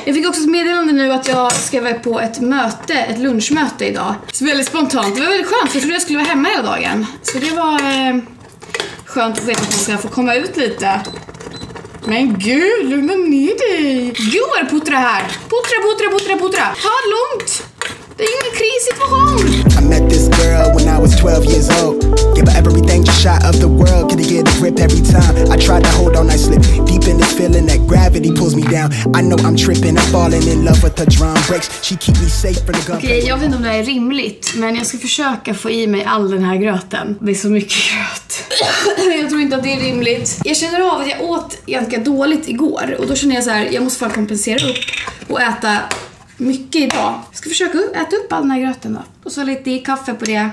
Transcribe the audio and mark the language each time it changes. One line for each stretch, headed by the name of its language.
Swedish: Jag fick också ett meddelande nu att jag ska vara på ett möte, ett lunchmöte idag. Så väldigt spontant. Det var väldigt skönt, för jag trodde jag skulle vara hemma hela dagen. Så det var skönt att veta att man ska få komma ut lite. Men gud, lugna ner dig. Gud vad det puttrar här. Puttra. Ta lugnt. Det är ingen krissituation.
English: I met this girl when I was 12 years old. Give her everything, just shot of the world. Could get a grip every time I tried to hold on, I slip deep in this feeling that gravity pulls me down. I know I'm tripping, I'm falling in love with the drum breaks. She keep me safe for the gun.
Swedish: Okej, jag vet inte om det är rimligt, men jag ska försöka få i mig all den här gröten. Det är så mycket gröt. Jag tror inte att det är rimligt. Jag känner av att jag åt ganska dåligt igår, och då känner jag så här, jag måste få kompensera upp och äta mycket idag. Jag ska försöka äta upp all den här gröten då. Och så lite kaffe på det.